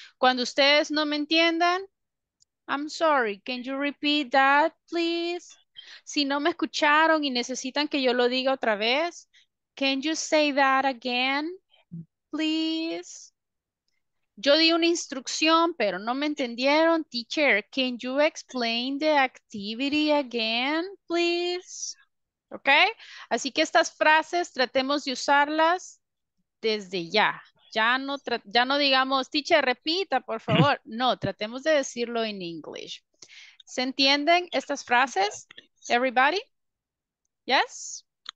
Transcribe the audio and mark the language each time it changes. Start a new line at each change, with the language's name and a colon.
Spanish: Cuando ustedes no me entiendan,
English: I'm sorry, can you repeat that, please?
Spanish: Si no me escucharon y necesitan que yo lo diga otra vez,
English: can you say that again, please?
Spanish: Yo di una instrucción, pero no me entendieron.
English: Teacher, can you explain the activity again, please? ¿Ok?
Spanish: Así que estas frases tratemos de usarlas desde ya. Ya no digamos, teacher, repita, por favor. No, tratemos de decirlo en English. ¿Se entienden estas frases?
English: Everybody? Yes?